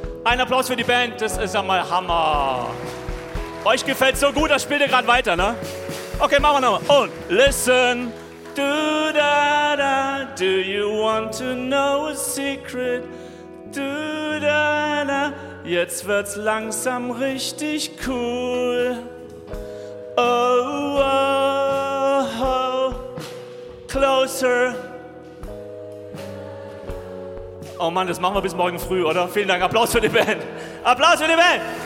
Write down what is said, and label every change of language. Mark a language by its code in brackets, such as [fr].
[de] Ein Applaus für die Band, das ist einmal Hammer. Euch gefällt so gut, das spielt ihr gerade weiter, ne? Okay, machen wir nochmal. Und listen. Do da da. [en] Do you want to know a secret? Do da da. [de] Jetzt wird's langsam richtig cool. [en] Oh, oh, oh, closer. [de] Oh Mann, das machen wir bis morgen früh, oder? Vielen Dank. Applaus für die Band. Applaus für die Band.